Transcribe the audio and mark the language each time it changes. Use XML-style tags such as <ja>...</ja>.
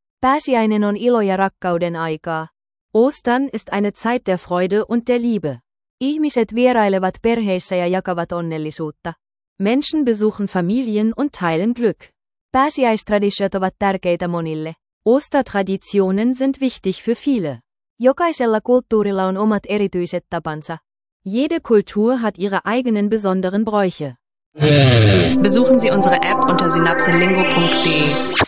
<fi>Pääsiäinen on ilo ja rakkauden aikaa.</fi> <de>Ostern ist eine Zeit der Freude und der Liebe.</de> <fi>Ihmiset vierailevat perheissä ja jakavat onnellisuutta.</fi> <de>Menschen besuchen Familien und teilen Glück.</de> <fi>Pääsiäistraditiot ovat tärkeitä monille.</fi> <de>Ostertraditionen sind wichtig für viele.</de> <fi>Jokaisella kulttuurilla on omat erityiset tapansa.</fi> <de>Jede Kultur hat ihre eigenen besonderen Bräuche. Besuchen Sie unsere App unter synapselingo.de.</de>